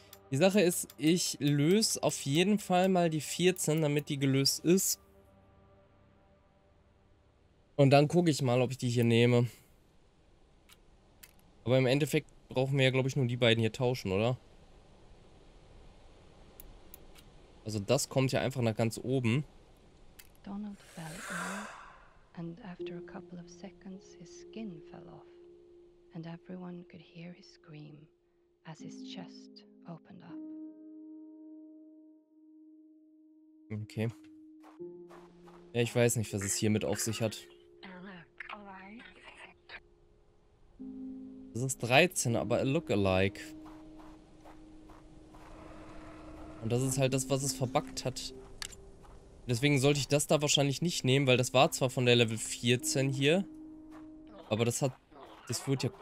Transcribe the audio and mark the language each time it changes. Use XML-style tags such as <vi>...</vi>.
<de>Die Sache ist, ich löse auf jeden Fall mal die 14, damit die gelöst ist. Und dann gucke ich mal, ob ich die hier nehme. Aber im Endeffekt brauchen wir ja, glaube ich, nur die beiden hier tauschen, oder? Also das kommt ja einfach nach ganz oben.</de> <en>Donald fell ill, and after a couple of seconds his skin fell off, and everyone could hear his scream as his chest opened up. Okay.</en> <de>Ja, ich weiß nicht, was es hier mit auf sich hat. Das ist 13, aber</de> <en>a look-alike.</en> <de>Und das ist halt das, was es verbuggt hat. Deswegen sollte ich das da wahrscheinlich nicht nehmen, weil das war zwar von der Level 14 hier, aber das hat... Das wurde ja...</de>